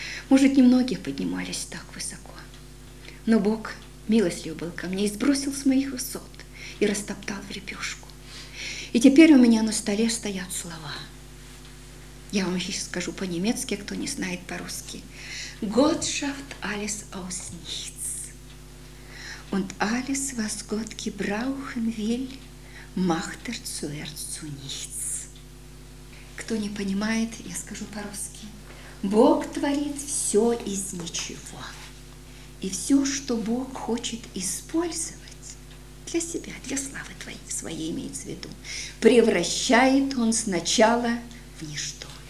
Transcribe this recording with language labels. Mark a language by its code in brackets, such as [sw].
[ru] Может, немногие поднимались так высоко. Но Бог милостью был ко мне и сбросил с моих высот и растоптал в лепешку. И теперь у меня на столе стоят слова. Я вам сейчас скажу по-немецки, кто не знает по-русски. [de] «Gott schafft alles aus nichts. Und alles, was Gott gebrauchen will, macht zuerst zu nichts». [ru] Кто не понимает, я скажу по-русски. Бог творит все из ничего. И все, что Бог хочет использовать для себя, для славы твоей, своей имеется в виду, превращает Он сначала в ничто.